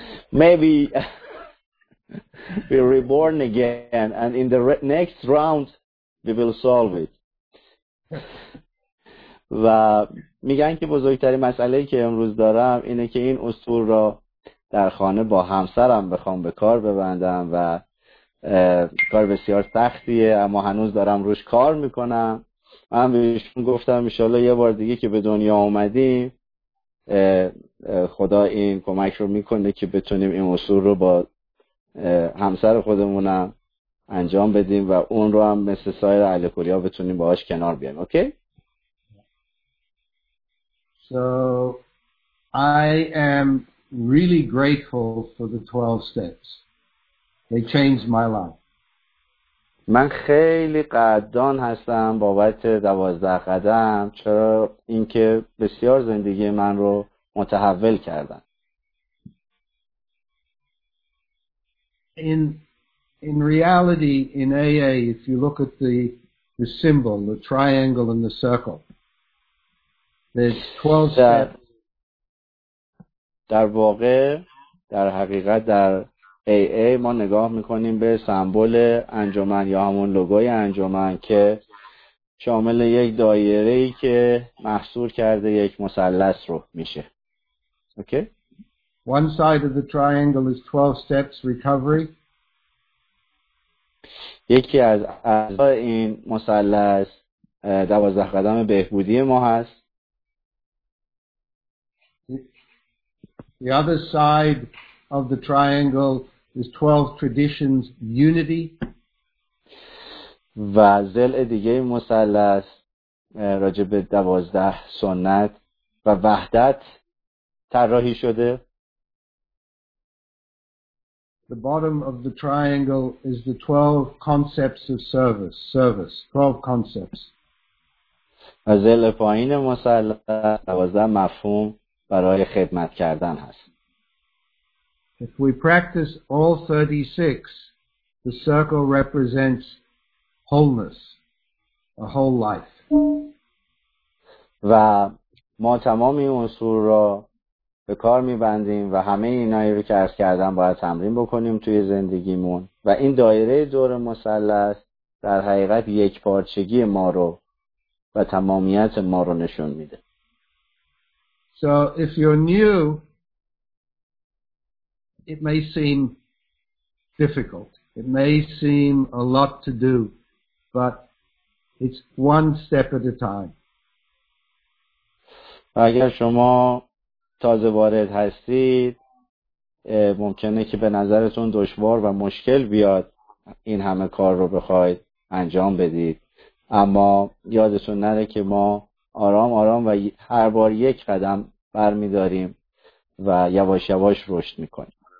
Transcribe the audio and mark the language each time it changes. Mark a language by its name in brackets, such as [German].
[English] Maybe we're reborn again, and in the next round we will solve it. [Persian] و میگن که بزرگترین مسئله که امروز دارم اینه که این اصول را در خانه با همسرم بخوام به کار ببندم و کار بسیار سختیه، اما هنوز دارم روش کار میکنم. من بهشون گفتم انشاءالله یه بار دیگه که به دنیا اومدیم خدا این کمک رو میکنه که بتونیم این اصول رو با همسر خودمونم انجام بدیم و اون رو هم مثل سایر الکلی ها بتونیم باهاش کنار بیایم. [English] Okay? So I am really grateful for the 12 steps. They changed my life. [Persian] من خیلی قدردان هستم بابت 12 قدم، چرا اینکه بسیار زندگی من رو متحول کردن. [English] In reality in AA if you look at the symbol, the triangle and the circle, there's 12 steps. [Persian] در واقع در حقیقت در AA ما نگاه میکنیم به سمبل انجمن یا همون لوگوی انجمن که شامل یک دایره‌ای که محصور کرده یک مثلث رو میشه. [English] Okay? One side of the triangle is 12 steps recovery. [Persian] یکی از اعضا این مثلث 12 قدم بهبودی ما هست. [English] The other side of the triangle is 12 traditions unity. [Persian] و ضلع دیگه مثلث راجع به 12 سنت و وحدت طراحی شده. [English] The bottom of the triangle is the 12 concepts of service, 12 concepts. [Persian] و ضلع پایین مثلث 12 مفهوم برای خدمت کردن هست. [English] If we practice all 36, the circle represents wholeness, a whole life. [Persian] و ما تمام این اصول را به کار می‌بندیم و همه اینایی رو که عرض کردم باید تمرین بکنیم توی زندگیمون و این دایره دور مثلث در حقیقت یک پارچگی ما رو و تمامیت ما رو نشون میده. [English] So if you're new it may seem difficult. It may seem a lot to do, but it's one step at a time. [Persian] اگر شما تازه وارد هستید ممکنه که به نظرتون دشوار و مشکل بیاد این همه کار رو بخواید انجام بدید، اما یادتون نره که ما آرام آرام و هر بار یک قدم برمی‌داریم و یواش یواش رشد می‌کنیم.